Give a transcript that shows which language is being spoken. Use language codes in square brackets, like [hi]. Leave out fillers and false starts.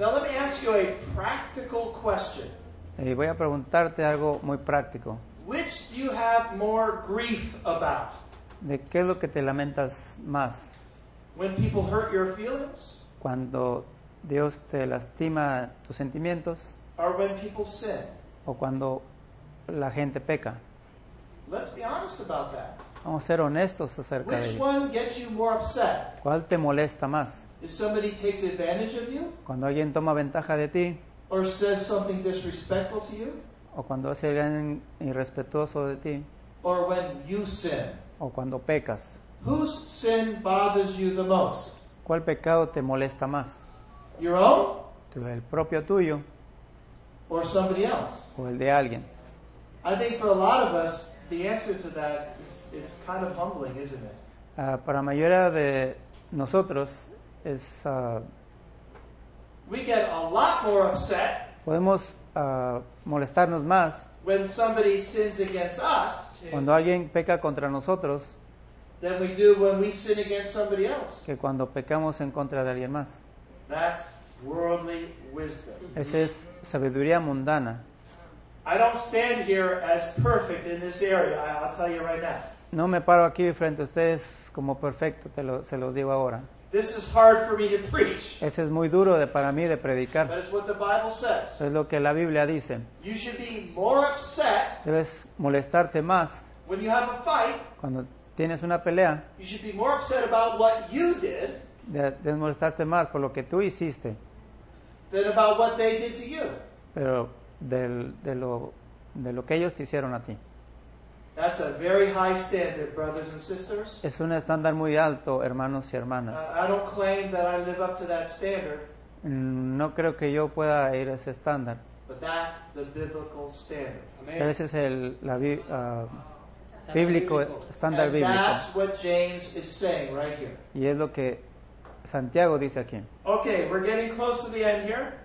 [en] Now let me ask you a practical question. [es] Y voy a preguntarte algo muy práctico. [en] Which do you have more grief about? [es] ¿De qué es lo que te lamentas más? [en] When people hurt your feelings? [es] Cuando Dios te lastima tus sentimientos, [en] or when people sin, [es] o cuando la gente peca. [en] Let's be honest about that. [es] Vamos a ser honestos acerca [en] which [es] de ello. [en] One gets you more upset? [es] ¿Cuál te molesta más? [en] If somebody takes advantage of you? [es] Cuando alguien toma ventaja de ti, [en] or says something disrespectful to you? [es] O cuando hace alguien irrespetuoso de ti, [en] or when you sin? [es] O cuando pecas. [en] Whose sin bothers you the most? [es] ¿Cuál pecado te molesta más? [en] Your own? [es] El propio tuyo. [en] Or somebody else? [es] O el de alguien. [en] I think for a lot of us, the answer to that is kind of humbling, isn't it? [es] Para mayoría de nosotros es. [en] We get a lot more upset. [es] Podemos molestarnos más. [en] When somebody sins against us. [es] Cuando alguien peca contra nosotros. [en] Than we do when we sin against somebody else. [es] Que cuando pecamos en contra de alguien más. [en] That's worldly wisdom. [es] Esa es sabiduría mundana. [en] I don't stand here as perfect in this area. I'll tell you right now. [es] No me paro aquí frente a ustedes como perfecto. Se los digo ahora. [en] This is hard for me to preach. [es] Ese es muy duro para mí de predicar. [en] But it's what the Bible says. [es] Es lo que la Biblia dice. [en] You should be more upset. [es] Debes molestarte más. [en] When you have a fight. [es] Cuando tienes una pelea. [en] You should be more upset about what you did. [es] Debes molestarte más por lo que tú hiciste. [en] Than about what they did to you. [es] Pero de lo que ellos te hicieron a ti. [en] That's a very high standard, brothers and sisters. [es] Es un estándar muy alto, hermanos y hermanas. [en] I don't claim that I live up to that standard. [es] No creo que yo pueda ir a ese estándar. [en] But that's the biblical standard. [es] Pero ese es estándar bíblico. [en] And that's what James is saying right here. [es] Y es lo que Santiago dice aquí. [en] Okay, we're getting close to the end here.